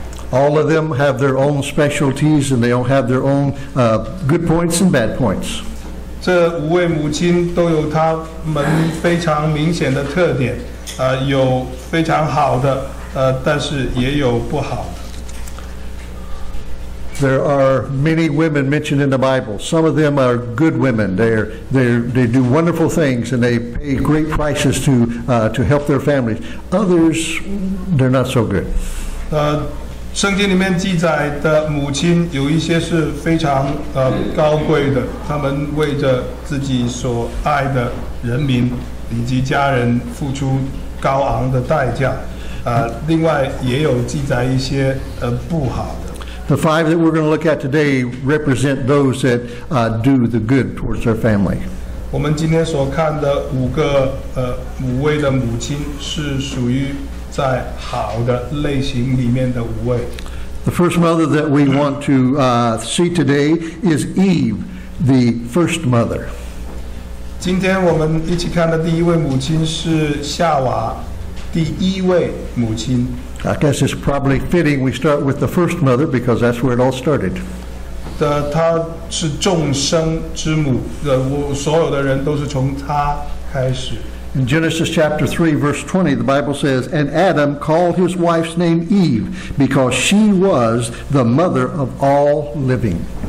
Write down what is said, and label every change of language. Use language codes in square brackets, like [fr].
[en] All of them have their own specialties and they all have their own good points and bad points. [zh] 这五位母亲都有她们非常明显的特点，有非常好的，但是也有不好的。 [en] There are many women mentioned in the Bible. Some of them are good women. They do wonderful things and they pay great prices to help their families. Others, they're not so good. [zh] 圣经里面记载的母亲有一些是非常高贵的，他们为着自己所爱的人民以及家人付出高昂的代价。另外也有记载一些不好的。 [en] The five that we're going to look at today represent those that do the good towards their family. [zh] 我们今天所看的五个五位的母亲是属于在好的类型里面的五位。 [en] The first mother that we want to see today is Eve, the first mother. [zh] 今天我们一起看的第一位母亲是夏娃，第一位母亲。 [en] I guess it's probably fitting we start with the first mother because that's where it all started. [zh] 她是众生之母，所有的人都是从她开始。 [en] In Genesis chapter 3 verse 20, the Bible says, And Adam called his wife's name Eve because she was the mother of all living.